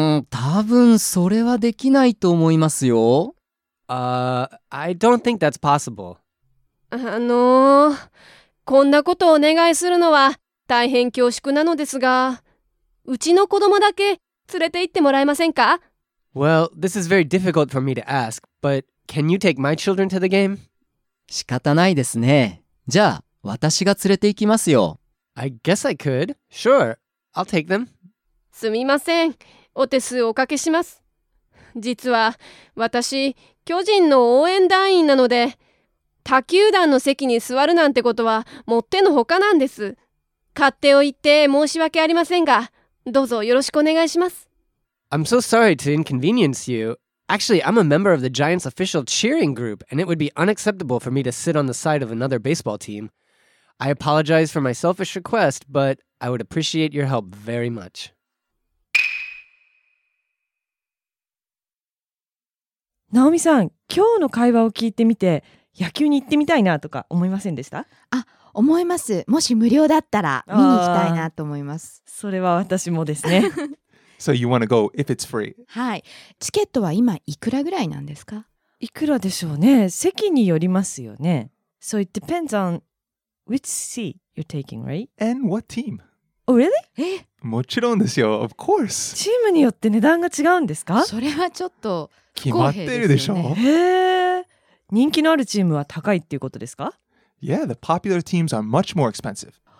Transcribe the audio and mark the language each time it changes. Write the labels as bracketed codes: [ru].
[ja] 多分それはできないと思いますよ。 [en] I don't think that's possible. [ja] こんなことをお願いするのは大変恐縮なのですが、うちの子供だけ連れて行ってもらえませんか？ [en] Well, this is very difficult for me to ask, but can you take my children to the game? [ja] 仕方ないですね。じゃあ私が連れて行きますよ。 [en] I guess I could. Sure, I'll take them. [ja] すみません、お手数おかけします。実は私、巨人の応援団員なので、他球団の席に座るなんてことはもってのほかなんです。勝手を言って申し訳ありませんが、どうぞよろしくお願いします。 [en] I'm so sorry to inconvenience you. Actually, I'm a member of the Giants official cheering group, and it would be unacceptable for me to sit on the side of another baseball team. I apologize for my selfish request, but I would appreciate your help very much. [ja] Naomi-san, 今日の会話を聞いてみて、野球に行ってみたいなとか思いませんでした？あ、思います。もし無料だったら見に行きたいなと思います。それは私もですね。 [en] So you want to go if it's free? [ja] はい。チケットは今いくらぐらいなんですか？いくらでしょうね。席によりますよね。 [en] So it depends on which seat you're taking, right? And what team? Oh, really? [ja] もちろんですよ。 [en] Of course. [ja] チームによって値段が違うんですか？それはちょっと不公平ですよね。決まってるでしょう。へえ。人気のあるチームは高いっていうことですか？ [en] Yeah, the popular teams are much more expensive.